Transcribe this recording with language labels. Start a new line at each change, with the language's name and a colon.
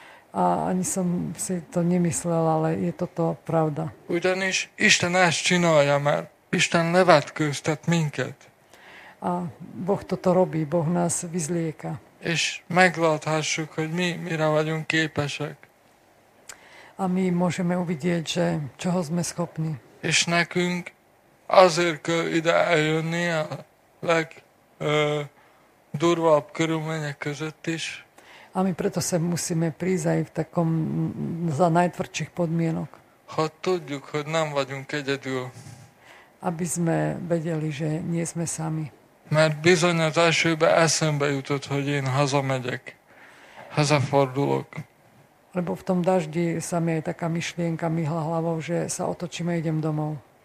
Slovak: A ani som si to nemyslel, ale je toto pravda.
Hungarian: Ugyanis Isten ezt csinálja, mert Isten levetkőztet minket.
Slovak: A Boh toto robí, Boh nás vyzlieka.
Hungarian: És megláthassuk, hogy mi mire vagyunk képesek.
Slovak: A my môžeme uvidieť, že čoho sme schopní.
Hungarian: És nekünk azért kell ide eljönni a legdurvább körülmények között is.
Slovak: A my preto sa musíme prísť aj v takom za najtvrdších podmienok.
Hungarian: Hogy tudjuk, hogy nem vagyunk egyedül.
Slovak: Aby sme vedeli, že nie sme sami.
Hungarian: Mert bizony az esőbe eszembe jutott, hogy én hazamegyek, hazafordulok.
Slovak: Lebo v tom daždi sa mi aj taká myšlienka myhla hlavou, že sa otočíme, idem domov.